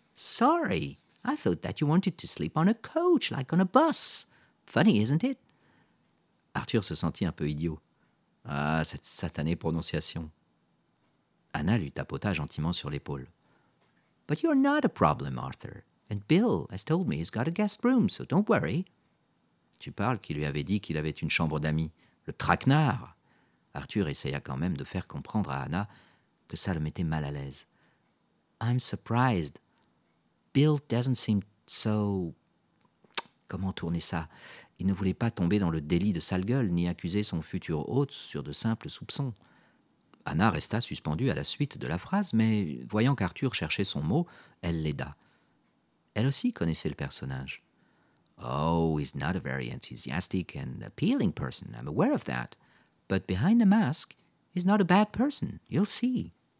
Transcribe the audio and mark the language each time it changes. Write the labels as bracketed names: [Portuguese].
[English] Sorry, I thought that you wanted to sleep on a coach, like on a bus. Funny, isn't it? [French] Arthur se sentit un peu idiot. Ah, cette satanée prononciation. Anna lui tapota gentiment sur l'épaule. [English] But you're not a problem, Arthur. And Bill has told me he's got a guest room, so don't worry. [French] Tu parles qu'il lui avait dit qu'il avait une chambre d'amis. Le traquenard! Arthur essaya quand même de faire comprendre à Anna que ça le mettait mal à l'aise. [English] I'm surprised. Bill doesn't seem so... [French] Comment tourner ça? Il ne voulait pas tomber dans le délit de sale gueule ni accuser son futur hôte sur de simples soupçons. Anna resta suspendue à la suite de la phrase, mais voyant qu'Arthur cherchait son mot, elle l'aida. Elle aussi connaissait le personnage. [English] Oh, he's not a very enthusiastic and appealing person, I'm aware of that. But behind the mask, he's not a bad person, you'll see.